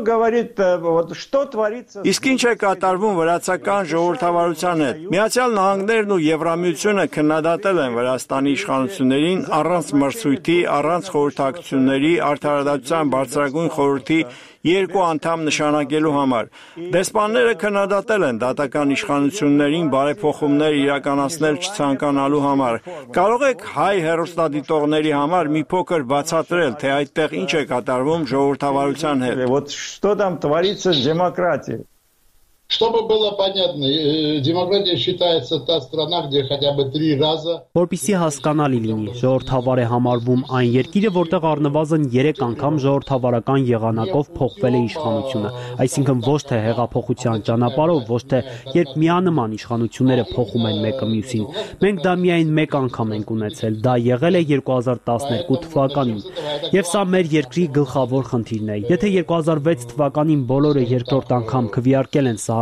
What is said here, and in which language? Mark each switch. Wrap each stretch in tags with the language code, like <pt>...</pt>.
<hy>Իսկ ինչ է կատարվում վրացական ժողովրդավարության հետ։ Միացյալ Նահանգներն ու Եվրամիությունը քննադատել են Վրաստանի իշխանություններին առանց մրցույթի, առանց խորհրդակցությունների, արդարադատության բարձրագույն խորհրդի 2 անդամ նշանակելու համար։ Դեսպանները քննադատել են դատական իշխանություններին բարեփոխումներ իրականացնել չցանկանալու համար։ Կարող եք հայ հերոստատիտողների համար մի փոքր բացատրել, թե այդտեղ ինչ է կատարվում ժողովրդավարության հետ։</hy> <ru>Вот что там творится с демократией? Чтобы было понятно, демократия считается та страна, где хотя бы 3 раза.</ru> <hy>Որպեսի հասկանալի լինի, ժողովրդավար է համարվում այն երկիրը, որտեղ առնվազն 3 անգամ ժողովրդավարական եղանակով փոխվել է իշխանությունը, այսինքն ոչ թե հեղափոխության ճանապարհով, ոչ թե երբ միանման իշխանությունները փոխում են մեկը մյուսին։ Մենք դա միայն 1 անգամ ենք ունեցել, դա եղել է 2012 թվականին, եւ սա մեր երկրի գլխավոր խնդիրն է։ Եթե 2006 թվականին բոլորը երկրորդ անգամ քվիարկել են Սա</hy>